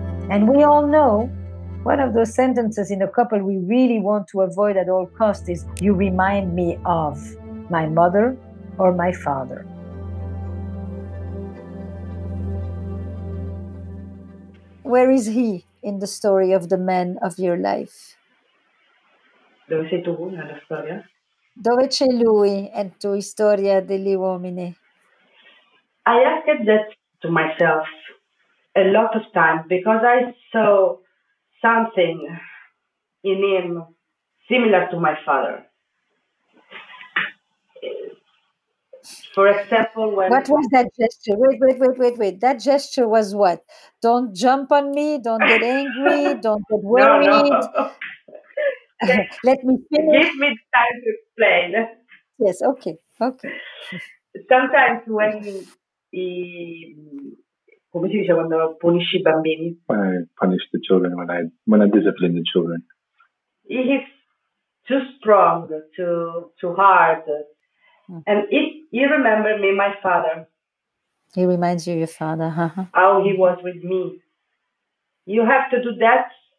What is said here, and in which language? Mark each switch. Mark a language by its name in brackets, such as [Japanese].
[English] And we all know one of those sentences in a couple we really want to avoid at all costs is, you remind me of my mother or my father. Where is he in the story of the man of your life? [Italian] Dove sei tu nella storia? Dove c'è lui in tua storia degli uomini? [English] I asked that to myself a lot of times because I saw something in him similar to my father. For example, when... What was that gesture? Wait. That gesture was what? Don't jump on me, don't get angry, don't get worried. No, no. Let me finish. Give me time to explain. Yes, okay. Sometimes when he... [Italian] Come si dice quando punisci i bambini? [English] When I punish the children, when I discipline the children. He is too strong, too hard. And he remembered me, my father. He reminds you of your father, huh? How he was with me. You have to do that.